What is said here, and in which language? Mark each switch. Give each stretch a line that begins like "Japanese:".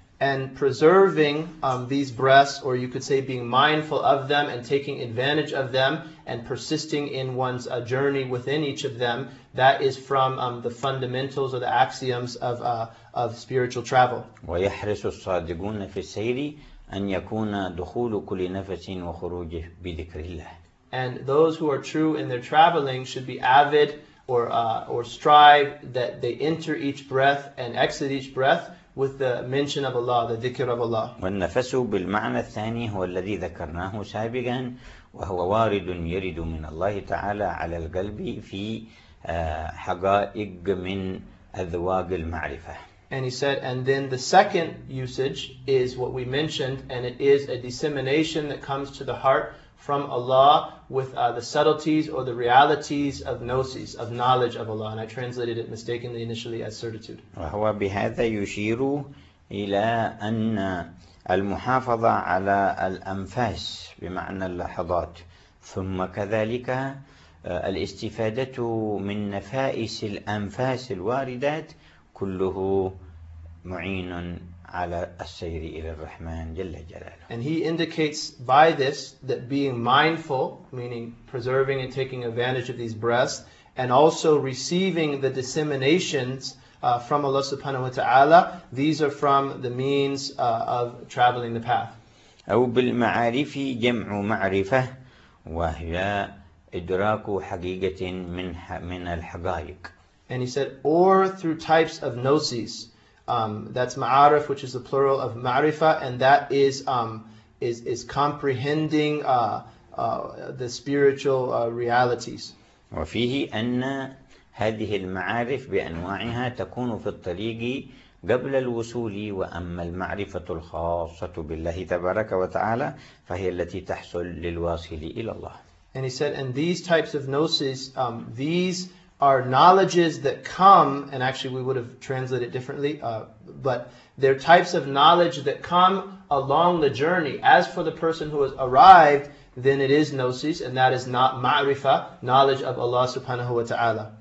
English: And preserving these breaths, or you could say being mindful of them and taking advantage of them and persisting in one's journey within each of them, that is from the fundamentals or the axioms of spiritual travel.
Arabic: ويحرص الصادقون في السير أن يكون دخول كل نفس وخروجه بذكر الله.
English: And those who are true in their traveling should be avid or strive that they enter each breath and exit each breath with the mention of Allah, the dhikr of Allah.
Arabic: والنفس بالمعنى الثاني هو الذي ذكرناه سابقا وهو وارد يرد من الله تعالى على القلب في حقائق من أذواق المعرفة.
English: And he said, and then the second usage is what we mentioned, and it is a dissemination that comes to the heart from Allah with the subtleties or the realities of gnosis, of knowledge of Allah. And I translated it mistakenly initially as certitude.
Arabic: وهو بهذا يشير إلى أن المحافظة على الأنفاس بمعنى اللحظات ثم كذلك الاستفادة من نفائس الأنفاس الواردات كله معين على السير إلى الرحمن جل جلاله.
English: And he indicates by this that being mindful, meaning preserving and taking advantage of these breaths, and also receiving the disseminations from Allah subhanahu wa ta'ala, these are from the means of traveling the path.
Arabic: أو بالمعارف جمع معرفة وهي إدراك حقيقة من الحقائق.
English: And he said, or through types of gnosis. That's ma'arif, which is the plural of ma'rifa, and that is comprehending the spiritual realities.
Arabic: وفيه أن هذه المعارف بأنواعها تكون في الطريق قبل الوصول وأما المعرفة الخاصة بالله تبارك وتعالى فهي التي تحصل للواصل إلى الله.
English: And he said, and these types of gnosis, these are knowledges that come, and actually we would have translated differently, but they're types of knowledge that come along the journey. As for the person who has arrived, then it is gnosis, and that is not ma'rifa, knowledge of Allah subhanahu wa ta'ala.